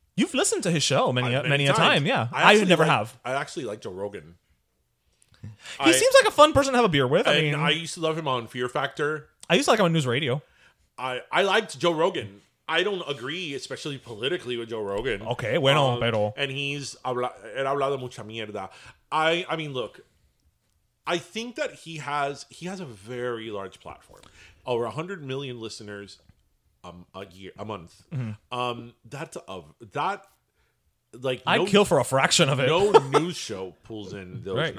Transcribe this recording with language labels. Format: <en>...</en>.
<en>You've listened to his show many times. Yeah. I actually like Joe Rogan. He seems like a fun person to have a beer with. And I used to love him on Fear Factor. I used to like him on News Radio. I liked Joe Rogan. I don't agree, especially politically, with Joe Rogan.</en> <es>Okay, bueno, pero... And he hablado mucha mierda.</es> <en>I mean, look, I think that he has a very large platform. Over 100 million listeners a month. Mm-hmm. Like I'd kill for a fraction of it. No news show pulls in those right.</en>